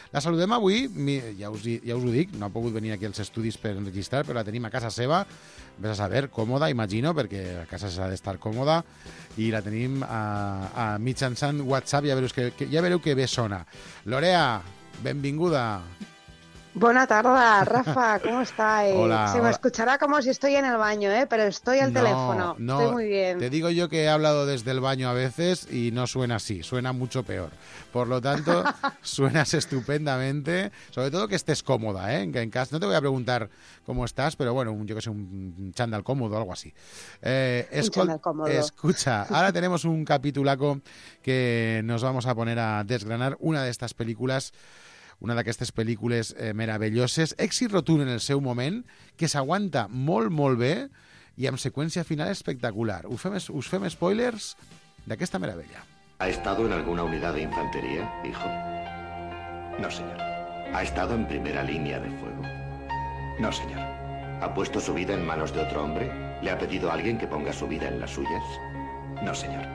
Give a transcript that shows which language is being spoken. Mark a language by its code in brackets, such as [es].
[ca] La saludem avui, ja us ho dic, no ha pogut venir aquí als estudis per enregistrar, però la tenim a casa seva, vés a saber, còmoda, imagino, perquè a casa s'ha d'estar còmoda, i la tenim a mitjançant WhatsApp, ja veureu que bé sona. Lorea, benvinguda. Bona tarda, Rafa, com estàs? [es] Hola. Se m'escucharà com si estoy en el baño, però estoy al teléfono. No, estoy muy bien. Te digo yo que he hablado desde el baño a veces y no suena así, suena mucho peor. Por lo tanto, suenas estupendamente, sobre todo que estés cómoda, ¿eh? En casa, no te voy a preguntar cómo estás, pero bueno, yo que sé, un chándal cómodo o algo así. Un chándal cómodo. Escucha, ahora tenemos un capitulaco que nos vamos a poner a desgranar una de estas películas. [ca] Una d'aquestes pel·lícules meravelloses, èxit rotund en el seu moment, que s'aguanta molt, molt bé i amb seqüència final espectacular. Us fem spoilers d'aquesta meravella. [es] ¿Ha estado en alguna unidad de infantería, hijo? No, señor. ¿Ha estado en primera línea de fuego? No, señor. ¿Ha puesto su vida en manos de otro hombre? ¿Le ha pedido a alguien que ponga su vida en las suyas? No, señor.